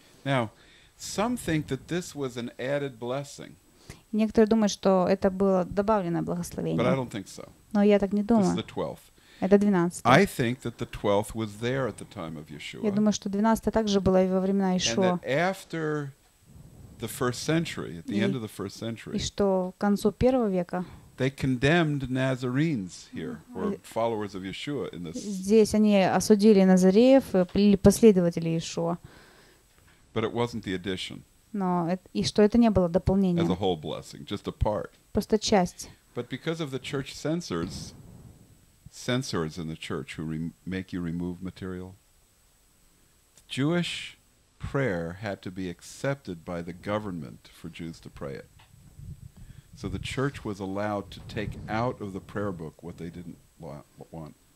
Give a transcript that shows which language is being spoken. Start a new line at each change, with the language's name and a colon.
English: Now, some think that this was an added blessing.
Russian: Некоторые думают, что это было добавленное благословение.
English: But I don't think so.
Russian: Но я так не думаю.
English: This is the 12th.
Russian: Это 12.
English: I think that the 12th was there at the time of Yeshua.
Russian: Я думаю, что 12 также было во времена Иешуа.
English: And that after the first century, at the end of the first century.
Russian: И что к концу первого века.
English: They condemned Nazarenes here, or followers of Yeshua in this.
Russian: Здесь они осудили Назареев или последователей Иешуа.
English: But it wasn't the addition.
Russian: Но и что это не было дополнение.
English: As a whole blessing, just a part.
Russian: Просто часть.
English: But because of the church censors in the church who make you remove material, Jewish prayer had to be accepted by the government for Jews to pray it. So the church was allowed to take out of the prayer book what they didn't want.